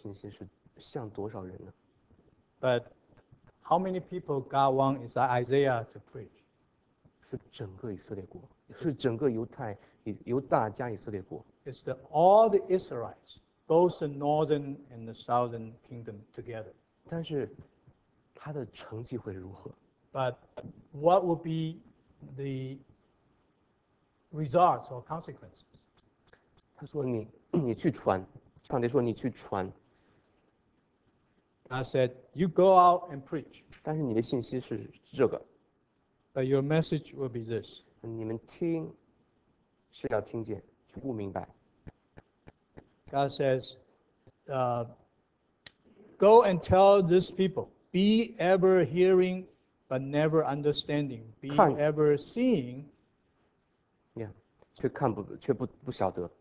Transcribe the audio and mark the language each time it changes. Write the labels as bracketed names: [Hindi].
[Chinese] 以赛亚要传的信息是向多少人呢？ [English] But how many people God wants Isaiah to preach？ [Chinese] 是整个以色列国，是整个犹太。 [English] It's the, all the Israelites, both the northern and the southern kingdom together. [Chinese] 但是他的成绩会如何? [English] But what will be the results or consequences? [Chinese] 他说你去传，上帝说你去传。 [English] I said, you go out and preach. [Chinese] 但是你的信息是这个。 [English] But your message will be this. [Chinese] 你们听，是要听见，却不明白。 [English] God says, go and tell these people, be ever hearing but never understanding, be ever seeing, [Chinese] yeah, 却看不，却不，不晓得。